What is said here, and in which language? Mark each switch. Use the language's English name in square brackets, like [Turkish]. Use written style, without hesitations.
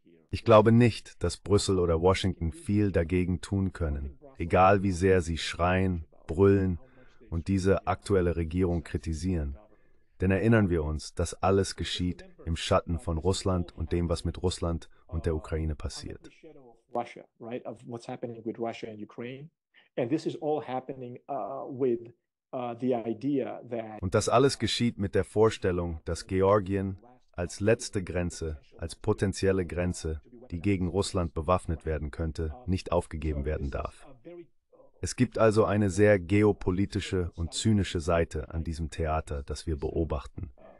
[German] Ich glaube nicht, dass Brüssel oder Washington viel dagegen tun können, egal wie sehr sie schreien, brüllen und diese aktuelle Regierung kritisieren. Denn erinnern wir uns, dass alles geschieht im Schatten von Russland und dem, was mit Russland und der Ukraine passiert. [English] Russia, right? Of what's happening with Russia and Ukraine. And this is all happening with [German] Und das alles geschieht mit der Vorstellung, dass Georgien als letzte Grenze, als potenzielle Grenze, die gegen Russland bewaffnet werden könnte, nicht aufgegeben werden darf. Es gibt also eine sehr geopolitische und zynische Seite an diesem Theater, das wir beobachten.